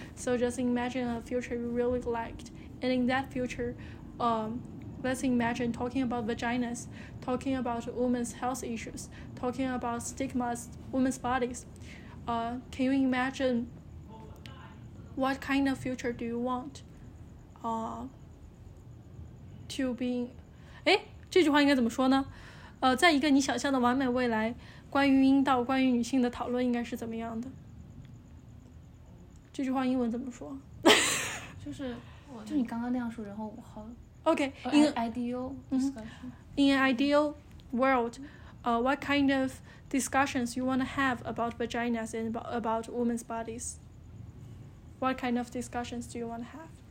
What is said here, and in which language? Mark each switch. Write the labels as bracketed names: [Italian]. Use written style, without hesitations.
[English] So just imagine a future you really liked. And in that future, let's imagine talking about vaginas, talking about women's health issues, talking about stigmas, women's bodies. Can you imagine what kind of future do you want to be? [Chinese] 这句话应该怎么说呢？在一个你想象的完美未来，关于阴道、关于女性的讨论应该是怎么样的？这句话英文怎么说？就是我，就你刚刚那样说，然后我好。 [English] Okay, in an ideal world, what kind of discussions you want to have about vaginas and about women's bodies? What kind of discussions do you want to have?